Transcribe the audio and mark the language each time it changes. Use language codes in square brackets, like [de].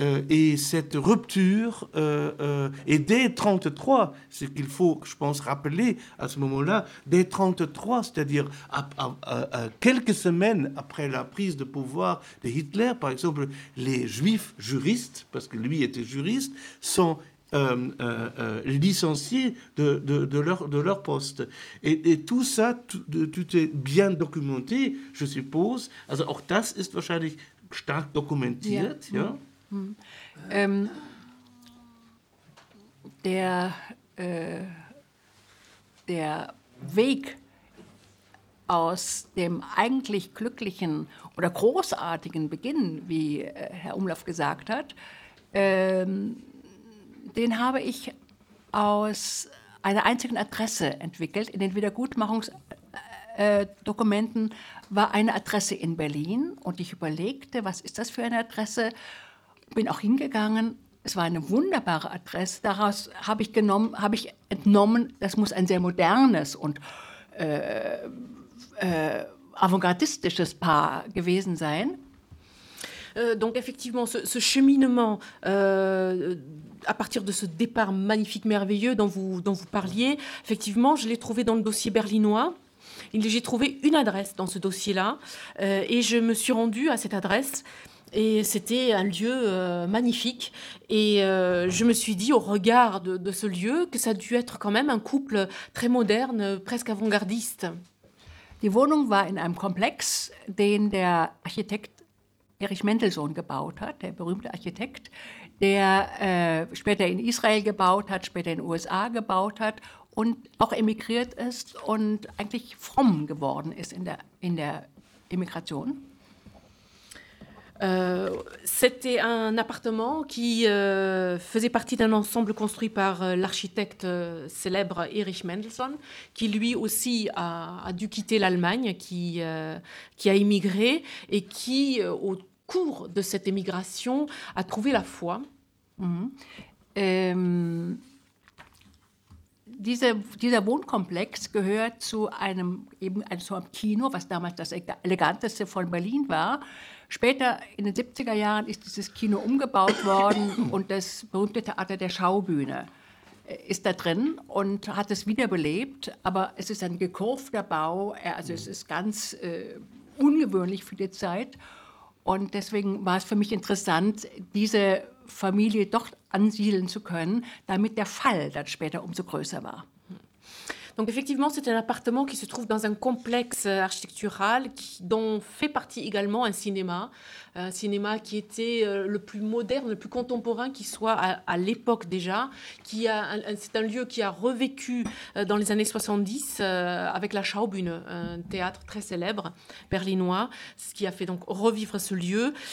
[fr] et cette rupture et dès 33 ce qu'il faut je pense rappeler à ce moment-là dès 33 c'est-à-dire à quelques semaines après la prise de pouvoir de Hitler par exemple les juifs juristes parce que lui était juriste sont licenciés de leur poste. Et tout ça, tout est bien documenté, je suppose. [de] Also auch das ist wahrscheinlich stark dokumentiert. Ja. Ja. Der Weg aus dem eigentlich glücklichen oder großartigen Beginn, wie Herr Umlauf gesagt hat, den habe ich aus einer einzigen Adresse entwickelt. In den Wiedergutmachungsdokumenten war eine Adresse in Berlin. Und ich überlegte, was ist das für eine Adresse? Bin auch hingegangen. Es war eine wunderbare Adresse. Daraus habe ich entnommen, das muss ein sehr modernes und avantgardistisches Paar gewesen sein. [fr] Donc effectivement, ce cheminement à partir de ce départ magnifique, merveilleux dont vous parliez, effectivement, je l'ai trouvé dans le dossier berlinois. J'ai trouvé une adresse dans ce dossier-là et je me suis rendue à cette adresse. Et c'était un lieu magnifique. Et je me suis dit, au regard de ce lieu, que ça a dû être quand même un couple très moderne, presque avant-gardiste. [de] Die Wohnung war in einem Komplex, den der Architekt Erich Mendelssohn gebaut hat, der berühmte Architekt, der später in Israel gebaut hat, später in den USA gebaut hat und auch emigriert ist und eigentlich fromm geworden ist in der Emigration. [fr] C'était un appartement qui faisait partie d'un ensemble construit par l'architecte célèbre Erich Mendelssohn, qui lui aussi a dû quitter l'Allemagne, qui a émigré et qui, au cours de cette émigration, a trouvé la foi. [de] Dieser Wohnkomplex gehört zu einem eben also einem Kino, was damals das eleganteste von Berlin war. Später in den 70er Jahren ist dieses Kino umgebaut worden und das berühmte Theater der Schaubühne ist da drin und hat es wiederbelebt. Aber es ist ein gekurvter Bau, also es ist ganz ungewöhnlich für die Zeit. Und deswegen war es für mich interessant, diese Familie doch ansiedeln zu können, damit der Fall dann später umso größer war. [fr] Donc effectivement, c'est un appartement qui se trouve dans un complexe architectural dont fait partie également un cinéma. Un cinéma qui était le plus moderne, le plus contemporain qui soit à l'époque déjà. C'est un lieu qui a revécu dans les années 70 avec la Schaubühne, un théâtre très célèbre berlinois, ce qui a fait donc revivre ce lieu.